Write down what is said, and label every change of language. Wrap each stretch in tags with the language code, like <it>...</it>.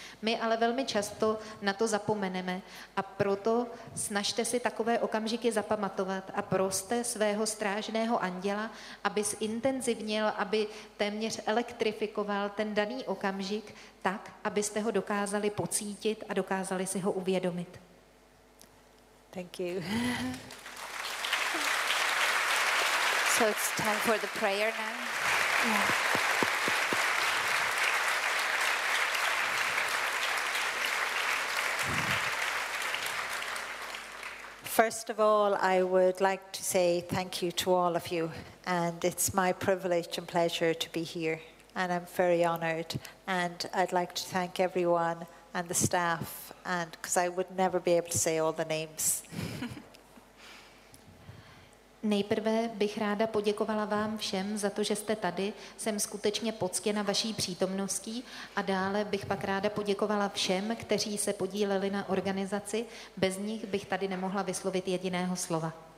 <cs>My ale velmi často na to zapomeneme a proto snažte si takové okamžiky zapamatovat a proste svého strážného anděla, aby zintenzivnil, aby téměř elektrifikoval ten daný okamžik tak, abyste ho dokázali pocítit a dokázali si ho uvědomit.</cs> <en>Thank you. So it's time for the prayer now. First of all, I would like to say thank you to all of you, and it's my privilege and pleasure to be here. And I'm very honored, and I'd like to thank everyone and the staff, and because I would never be able to say all the names.</en> <cs>Nejprve bych ráda poděkovala vám všem za to, že jste tady. Jsem skutečně poctěna vaší přítomností a dále bych pak ráda poděkovala všem, kteří se podíleli na organizaci. Bez nich bych tady nemohla vyslovit jediného slova.</cs>